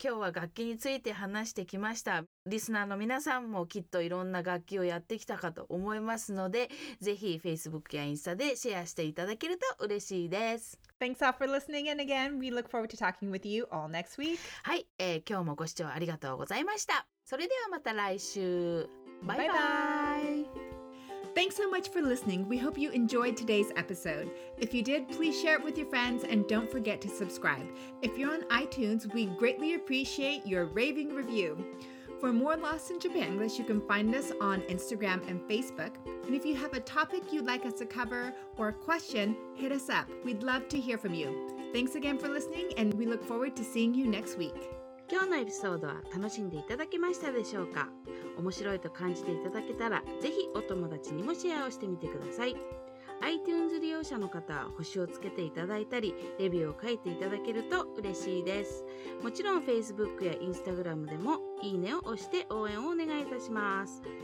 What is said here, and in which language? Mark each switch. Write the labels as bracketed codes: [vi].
[ja] 今日は楽器について話してきました。リスナーの皆さんもきっといろんな楽器をやってきたかと思いますので、ぜひ Facebook やインスタでシェアしていただけると嬉しいです。 [en] Thanks all for listening in again. We look forward to talking with you all next week. [ja] はい、今日もご視聴ありがとうございました。それではまた来週。バイバイ。バイバ [en] Thanks so much for listening. We hope you enjoyed today's episode. If you did, please share it with your friends and don't forget to subscribe. If you're on iTunes, we greatly appreciate your raving review. For more Lost in Japanglish, you can find us on Instagram and Facebook. And if you have a topic you'd like us to cover or a question, hit us up. We'd love to hear from you. Thanks again for listening and we look forward to seeing you next week. [ja] 今日のエピソードは楽しんでいただけましたでしょうか?面白いと感じていただけたら、ぜひお友達にもシェアをしてみてください。 iTunes 利用者の方は星をつけていただいたり、レビューを書いていただけると嬉しいです。もちろん Facebook や Instagram でもいいねを押して応援をお願いいたします。